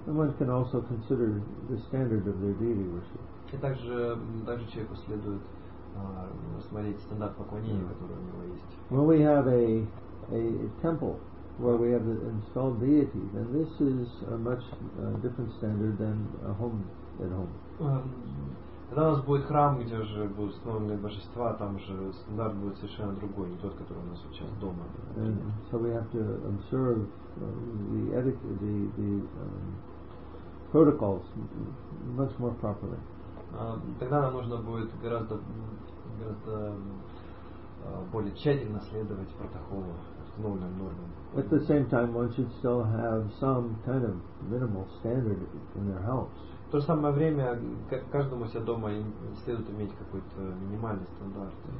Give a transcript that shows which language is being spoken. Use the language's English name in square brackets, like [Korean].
[English] One can also consider the standard of their deity worship. [Russian] И также человеку следует смотреть стандарт поклонения, который у него есть. [English] When we have a temple where we have the installed deity, then this is a much different standard than a home at home. [Russian] Когда у нас будет храм, где уже будут установлены божества, там же стандарт будет совершенно другой, не тот, который у нас сейчас дома. [English] And so we have to observe the etiquette, the protocols much more properly. [Russian] Тогда нам нужно будет гораздо, гораздо более тщательно следовать протоколу, установленным нормам. [English] At the same time, one should still have some kind of minimal standard in their house. [Russian] В то же самое время каждому себя дома следует иметь какой-то минимальный стандарт.